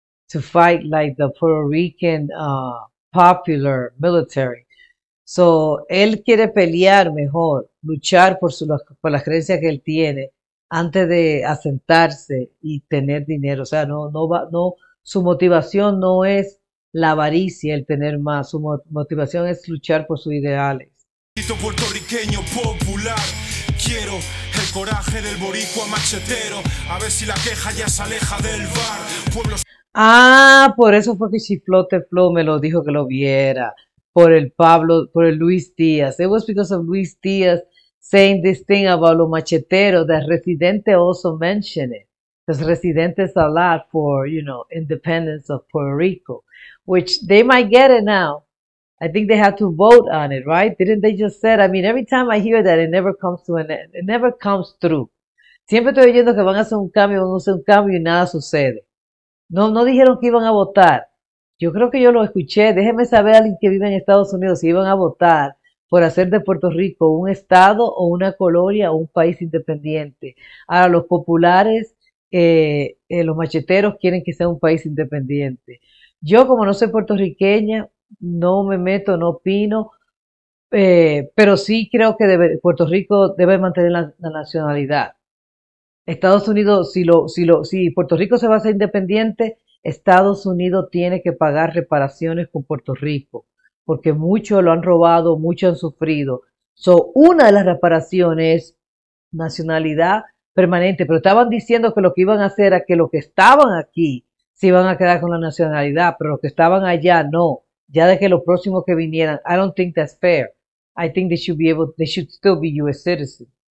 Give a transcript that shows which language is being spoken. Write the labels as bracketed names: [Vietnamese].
[English] To fight like the Puerto Rican popular military. [Spanish] So, él quiere pelear mejor, luchar por las creencias que él tiene antes de asentarse y tener dinero. O sea, no va, su motivación no es la avaricia, el tener más. Su motivación es luchar por sus ideales. Puertorriqueño popular, quiero el coraje del boricua machetero. A ver si la queja ya se aleja del bar. Pueblos. Ah, por eso fue que Chifló Tefló me lo dijo que lo viera. Por el Luis Díaz. [English] It was because of Luis Díaz saying this thing about [Spanish] lo machetero [English] that Residente also mentioned it. Because Residente is a lot for, you know, independence of Puerto Rico. Which they might get it now. I think they have to vote on it, right? Didn't they just said, I mean, every time I hear that, it never comes to an end. It never comes through. [Spanish] Siempre estoy oyendo que van a hacer un cambio y nada sucede. No dijeron que iban a votar. Yo creo que yo lo escuché. Déjeme saber a alguien que vive en Estados Unidos si iban a votar por hacer de Puerto Rico un estado o una colonia o un país independiente. Ahora, los populares, los macheteros quieren que sea un país independiente. Yo, como no soy puertorriqueña, no me meto, no opino, pero sí creo que Puerto Rico debe mantener la nacionalidad. Estados Unidos, si Puerto Rico se va a hacer independiente, Estados Unidos tiene que pagar reparaciones con Puerto Rico, porque muchos lo han robado, muchos han sufrido. So, una de las reparaciones es nacionalidad permanente, pero estaban diciendo que lo que iban a hacer era que los que estaban aquí se iban a quedar con la nacionalidad, pero los que estaban allá no. Ya de que los próximos que vinieran, [English] I don't think that's fair. I think they should still be US citizens.